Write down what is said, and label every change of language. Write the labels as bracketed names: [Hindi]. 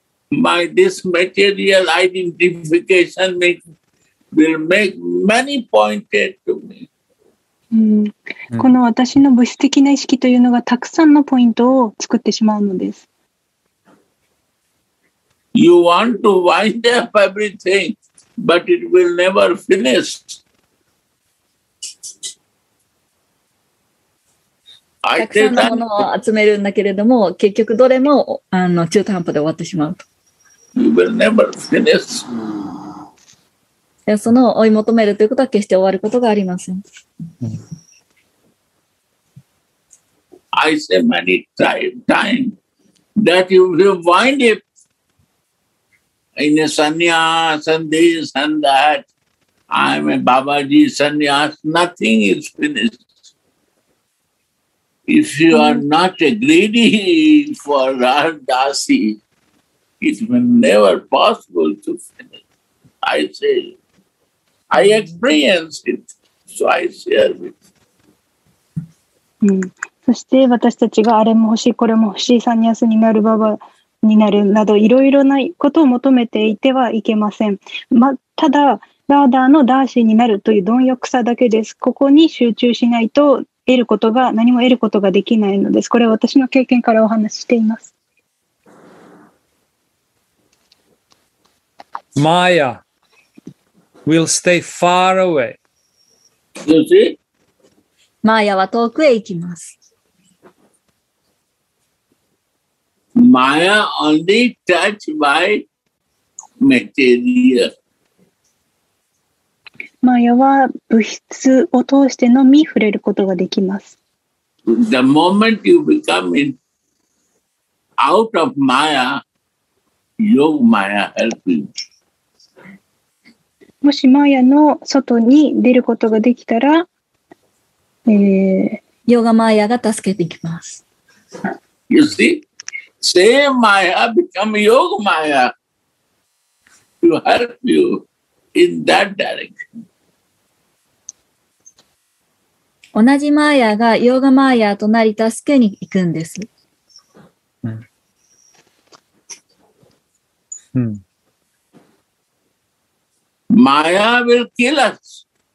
[English] My this material identification will make many pointed to me. [Japanese] この私の物質的な意識というのがたくさんのポイントを作ってしまうのです。 [English] You want to wind up everything, but it will never finish. [Japanese] たくさんのものを集めるんだけれども、結局どれも中途半端で終わってしまうと。 [English] You will never finish. [Japanese] その追い求めるということは決して終わることがありません。 [English] I say many times that you will wind up in a sannyas and this and that. I am a Babaji sannyas. Nothing is finished. If you are not a greedy for Radhasi, it will never possible to finish. I say. I experience it, so I share with [Japanese] そして私たちがあれも欲しい、これも欲しい、サニアスになる、ババになるなど、いろいろなことを求めていてはいけません。ただ、ラーダーのダーシーになるという貪欲さだけです。ここに集中しないと得ることが、何も得ることができないのです。これは私の経験からお話しています。 [English] マーヤ。Will stay far away. You see? [Japanese] Maya は遠くへ行きます。 [English] Maya only touched by material. [Japanese] Maya は物質を通してのみ触れることができます。 [English] The moment you become in, out of Maya, your Maya helps you. [Japanese] もしマーヤの外に出ることができたら、ヨガマーヤが助けてきます。 [English] You see? Same Maya become Yoga Maya to help you in that direction. [Japanese] 同じマーヤがヨガマーヤとなり助けに行くんです。 [English] Maya will kill us.